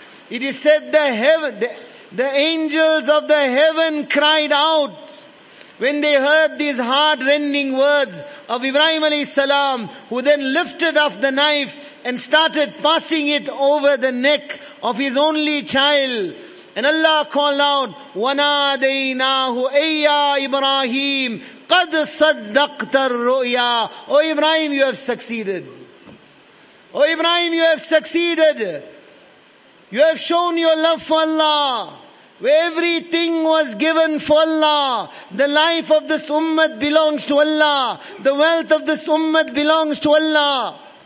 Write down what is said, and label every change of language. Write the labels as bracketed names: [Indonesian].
[English] It is said the angels of the heaven cried out when they heard these heart-rending words of Ibrahim alayhi salam, who then lifted off the knife and started passing it over the neck of his only child. And Allah called out, [Arabic] وَنَادَيْنَاهُ أَيَّا إِبْرَاهِيمُ قَدْ صَدَّقْتَ الرُّؤْيَا. [English] Oh Ibrahim, you have succeeded. Oh Ibrahim, you have succeeded. You have shown your love for Allah. Everything was given for Allah. The life of this ummah belongs to Allah. The wealth of this ummah belongs to Allah.